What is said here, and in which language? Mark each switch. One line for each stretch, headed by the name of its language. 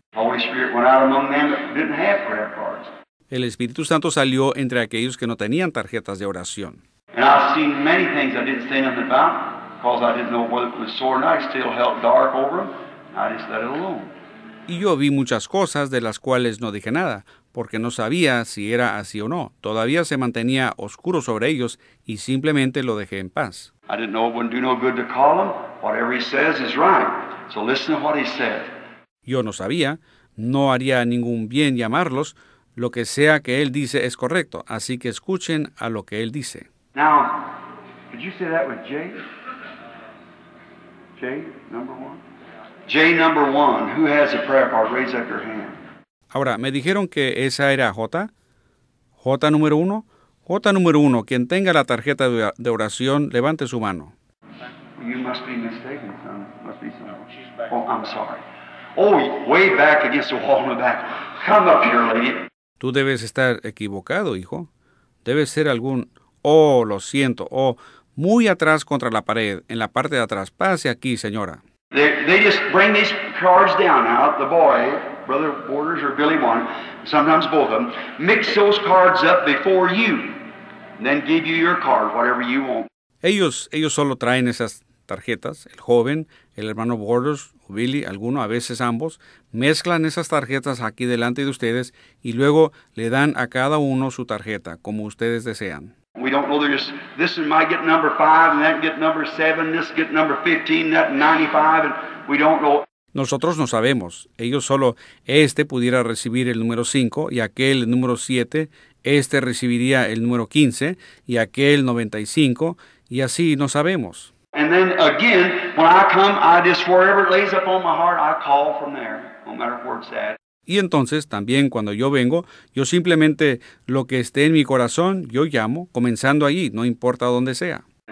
English: Holy Spirit went out among them that didn't have prayer cards.
Spanish: El Espíritu Santo salió entre aquellos que no tenían tarjetas de oración.
English: And I've seen many things I didn't say nothing about because I didn't know whether it was sore or not. I still held dark over them. I just let it alone.
Spanish: Y yo vi muchas cosas de las cuales no dije nada, porque no sabía si era así o no. Todavía se mantenía oscuro sobre ellos y simplemente lo dejé en paz.
English: I didn't know it wouldn't do no good to call him. Whatever he says is right. So listen to what he said.
Spanish: Yo no sabía. No haría ningún bien llamarlos. Lo que sea que él dice es correcto. Así que escuchen a lo que él dice.
English: Now, did you say that with J? J, number one. J number one, who has a prayer card? Raise up your hand.
Spanish: Ahora, me dijeron que esa era J. J número uno. J número uno, quien tenga la tarjeta de oración, levante su mano.
English: You must be mistaken, son. Must be something. No, she's back. Oh, I'm sorry. Oh, way back against the wall in the back. Come up here, lady.
Spanish: Tú debes estar equivocado, hijo. Debe ser algún... Oh, lo siento. Oh, muy atrás contra la pared, en la parte de atrás. Pase aquí, señora.
English: They just bring these cards down now, the boy, Brother Borders or Billy One, sometimes both of them, mix those cards up before you, and then give you your card, whatever you want.
Spanish: Ellos solo traen esas tarjetas, el joven, el hermano Borders, o Billy, alguno, a veces ambos, mezclan esas tarjetas aquí delante de ustedes y luego le dan a cada uno su tarjeta, como ustedes desean.
English: We don't know, just, this one might get number 5, and that get number 7, this get number 15, that 95, and we don't know.
Spanish: Nosotros no sabemos. Ellos solo, este pudiera recibir el número 5, y aquel el número 7, este recibiría el número 15, y aquel 95, y así no sabemos.
English: And then again, when I come, I just, wherever it lays up on my heart, I call from there, no matter where it's at.
Spanish: Y entonces, también cuando yo vengo, yo simplemente lo que esté en mi corazón, yo llamo, comenzando allí, no importa dónde sea.